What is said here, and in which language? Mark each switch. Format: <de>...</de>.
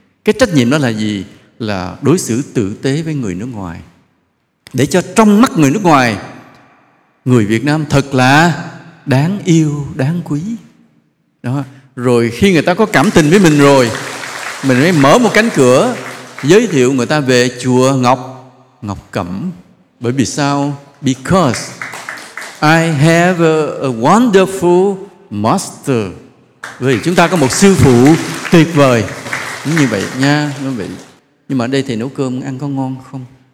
<vi>Cái trách nhiệm đó là gì? Là đối xử tử tế với người nước ngoài, để cho trong mắt người nước ngoài, người Việt Nam thật là đáng yêu, đáng quý. Đó. Rồi khi người ta có cảm tình với mình rồi, mình mới mở một cánh cửa giới thiệu người ta về chùa Ngọc, Ngọc Cẩm. Bởi vì sao?</vi> <en>Because I have a wonderful master.</en> <vi>Vì chúng ta có một sư phụ tuyệt vời. Như vậy nha, như vậy. Nhưng mà ở đây thầy nấu cơm ăn có ngon không?</vi>